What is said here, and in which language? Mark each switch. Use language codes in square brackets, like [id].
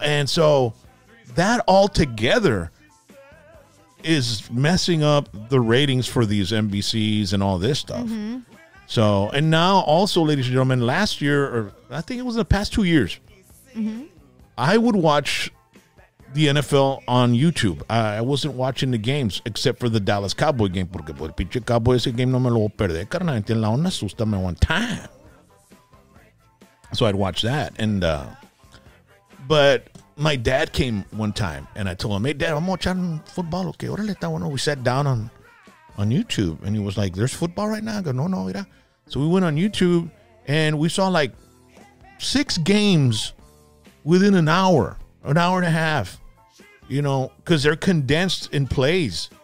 [en] And so that all together is messing up the ratings for these NBCs and all this stuff. Mm-hmm. So, and now also, ladies and gentlemen, last year, or I think it was the past 2 years, mm-hmm. I would watch the NFL on YouTube. I wasn't watching the games except for the Dallas Cowboy game. [es] Porque por el pinche Cowboy ese game no me lo voy a perder. Carnal, tiene la onda, asústame [en] one time. So I'd watch that. And, but my dad came one time, and I told him, hey, Dad, I'm watching football, okay? [es] Orale, está bueno. [en] We sat down on YouTube, and he was like, there's football right now? I go, no, no, [es] mira. [en] So we went on YouTube, and we saw, like, 6 games within an hour and a half, you know, because they're condensed in plays.